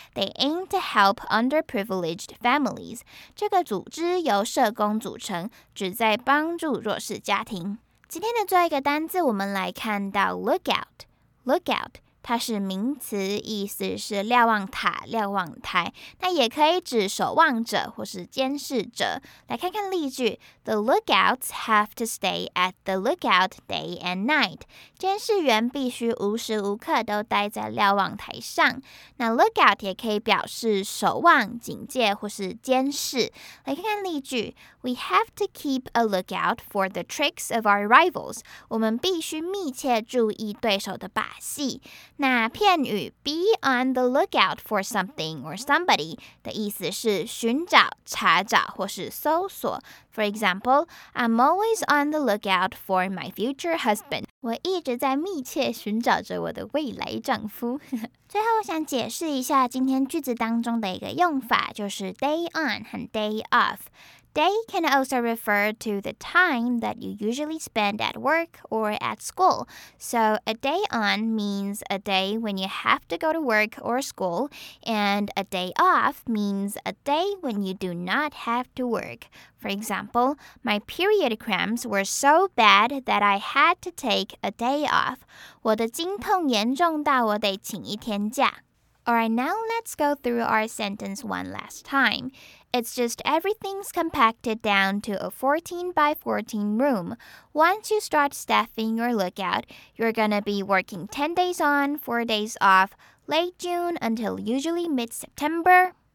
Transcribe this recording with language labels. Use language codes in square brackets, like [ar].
[en] They aim to help underprivileged families. [zh] 这个组织由社工组成，旨在帮助弱势家庭。今天的最后一个单字，我们来看到 lookout。 lookout 它是名词，意思是瞭望塔、瞭望台，那也可以指守望者或是监视者。来看看例句 [en] ：The lookouts have to stay at the lookout day and night. [zh] 监视员必须无时无刻都待在瞭望台上。那 lookout 也可以表示守望、警戒或是监视。来看看例句 [en] ：We have to keep a lookout for the tricks of our rivals. [zh] 我们必须密切注意对手的把戏。那片语 [en] be on the lookout for something or somebody [zh] 的意思是寻找、查找或是搜索。 [en] For example, I'm always on the lookout for my future husband. [zh] 我一直在密切寻找着我的未来丈夫。最后我想解释一下今天句子当中的一个用法，就是 day on 和 day off。 [en] Day can also refer to the time that you usually spend at work or at school. So a day on means a day when you have to go to work or school, and a day off means a day when you do not have to work. For example, my period cramps were so bad that I had to take a day off. [zh] 我的经痛严重到我得请一天假。 [en] Alright, now let's go through our sentence one last time. It's just everything's compacted down to a 14 by 14 room. Once you start staffing your lookout, you're gonna be working 10 days on, 4 days off, late June until usually mid-September.